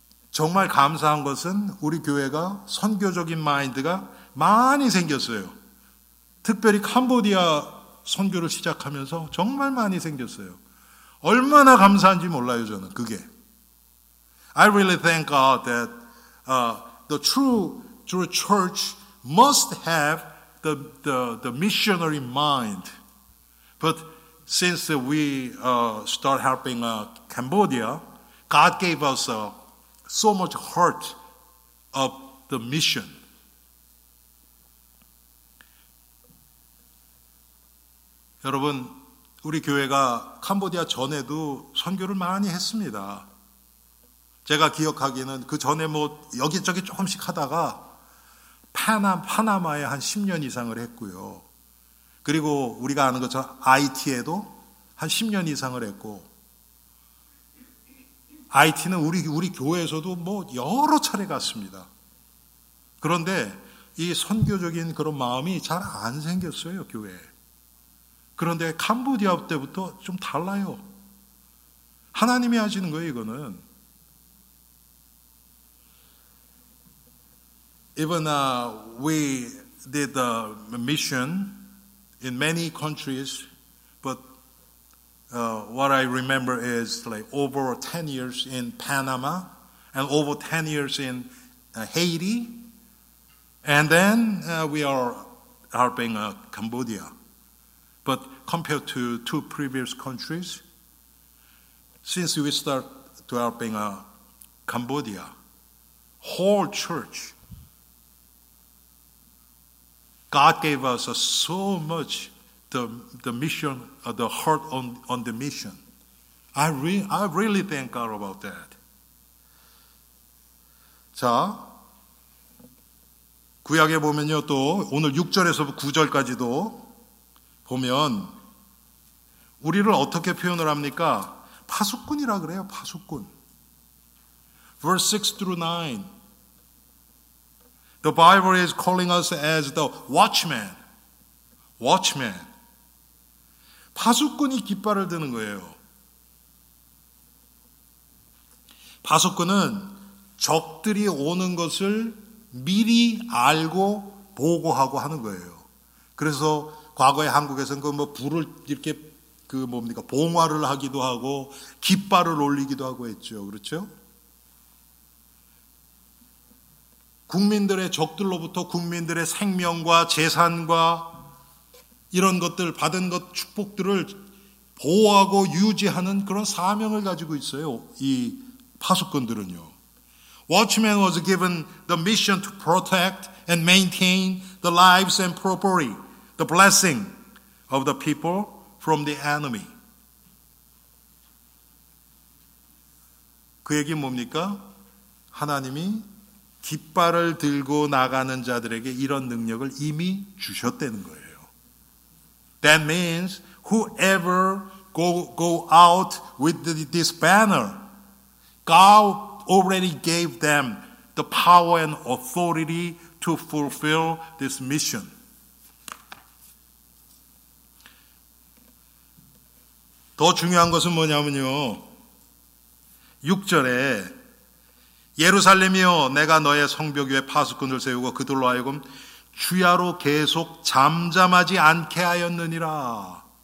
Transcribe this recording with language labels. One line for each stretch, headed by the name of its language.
Korean: 정말 감사한 것은 우리 교회가 선교적인 마인드가 많이 생겼어요. 특별히 캄보디아 선교를 시작하면서 정말 많이 생겼어요. 얼마나 감사한지 몰라요, 저는 그게.
English: I really thank God that the true church must have the missionary mind. But since we start helping Cambodia, God gave us so much heart of the mission.
Korean: 여러분, 우리 교회가 캄보디아 전에도 선교를 많이 했습니다. 제가 기억하기에는 그 전에 뭐 여기저기 조금씩 하다가 파나마에 한 10년 이상을 했고요. 그리고 우리가 아는 것처럼 IT에도 한 10년 이상을 했고, IT는 우리 교회에서도 뭐 여러 차례 갔습니다. 그런데 이 선교적인 그런 마음이 잘 안 생겼어요, 교회에. 그런데 캄보디아 때부터 좀 달라요. 하나님이 하시는 거예요, 이거는.
English: Even we did a mission in many countries, but what I remember is like over 10 years in Panama and over 10 years in Haiti, and then we are helping Cambodia. But compared to two previous countries, since we start to helping Cambodia, whole church, God gave us so much the mission, the heart on the mission. I really thank God about that.
Korean: 자, 구약에 보면요, 또 오늘 6절에서 9절까지도 보면 우리를 어떻게 표현을 합니까? 파수꾼이라 그래요, 파수꾼.
English: Verse 6 through 9. The Bible is calling us as the watchman. Watchman.
Korean: 파수꾼이 깃발을 드는 거예요. 파수꾼은 적들이 오는 것을 미리 알고 보고하고 하는 거예요. 그래서 과거에 한국에서는 그 뭐 불을 이렇게 그 뭡니까? 봉화를 하기도 하고 깃발을 올리기도 하고 했죠. 그렇죠? 국민들의 적들로부터 국민들의 생명과 재산과 이런 것들, 받은 것, 축복들을 보호하고 유지하는 그런 사명을 가지고 있어요. 이 파수꾼들은요.
English: Watchman was given the mission to protect and maintain the lives and property, the blessing of the people from the enemy.
Korean: 그 얘기는 뭡니까? 하나님이 깃발을 들고 나가는 자들에게 이런 능력을 이미 주셨다는 거예요.
English: That means whoever go out with this banner, God already gave them the power and authority to fulfill this mission.
Korean: 더 중요한 것은 뭐냐면요, 6절에 예루살렘이여, 내가 너의 성벽 위에 파수꾼을 세우고 그들로 하여금 주야로 계속 잠잠하지 않게 하였느니라.